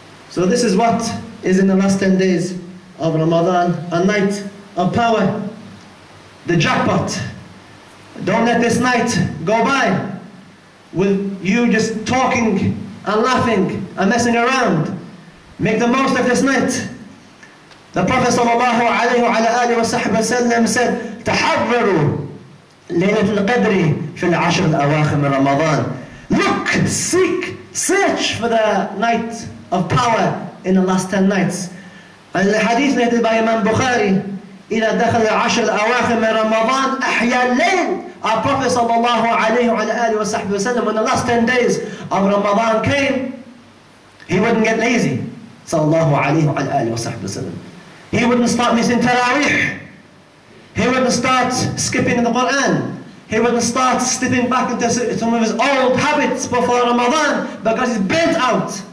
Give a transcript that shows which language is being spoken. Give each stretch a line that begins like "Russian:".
English: So this is what is in the last 10 days of Ramadan, a night of power, the jackpot. Don't let this night go by with you just talking and laughing and messing around. Make the most of this night. The Prophet
Arabic: sallallahu alayhi wa sallam said, تحرروا ليلة القدر في العشر الأواخر من رمضان.
English: Look, seek, search for the night of power in the last 10 nights. And the hadith narrated by Imam Bukhari,
Arabic: إِذَا دَخَلَ الْعَشْرَ الْأَوَاخِرَ مِنْ رَمَضَانَ أَحْيَى اللَّيْلَ.
English: Our Prophet sallallahu alayhi wa alayhi wa sallam, when the last 10 days of Ramadan came, he wouldn't get lazy. Sallallahu alayhi wa alayhi wa sallam. He wouldn't start missing tarawih. He wouldn't start skipping the Quran. He wouldn't start slipping back into some of his old habits before Ramadan because he's burnt out.